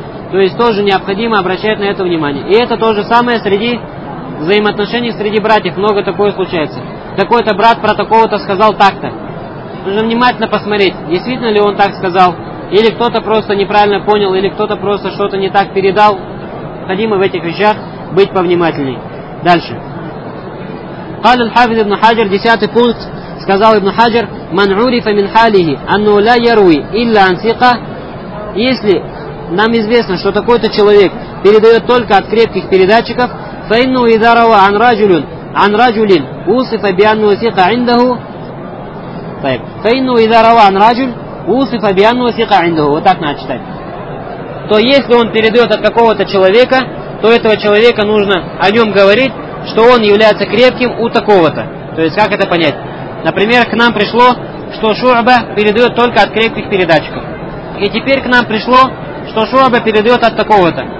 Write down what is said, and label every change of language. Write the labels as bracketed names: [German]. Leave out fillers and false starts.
[Russian] То есть тоже необходимо обращать на это внимание. И это то же самое среди взаимоотношений среди братьев. Много такое случается. Такой-то брат про такого-то сказал так-то. Нужно внимательно посмотреть, действительно ли он так сказал, или кто-то просто неправильно понял, или кто-то просто что-то не так передал. Необходимо в этих вещах быть повнимательней. Дальше. [Arabic] قال الحافظ ابن حجر [Russian] 10 пункт сказал [Arabic] ابن حجر من عرف من حاله أنه لا يروي إلا عن ثقة. [Russian] Если нам известно, что такой-то человек передает только от крепких передатчиков, [Arabic] فإنه إذا روى عن رجل وصف بأنه ثقة عنده. طيب. فإنه إذا روى عن رجل وصف بأنه ثقة عنده. [Russian] Вот так надо читать. То если он передает от какого-то человека, то этого человека нужно о нем говорить, что он является крепким у такого-то. То есть как это понять? Например, к нам пришло, что Шуаба передает только от крепких передатчиков. И теперь к нам пришло, что Шуаба передает от такого-то.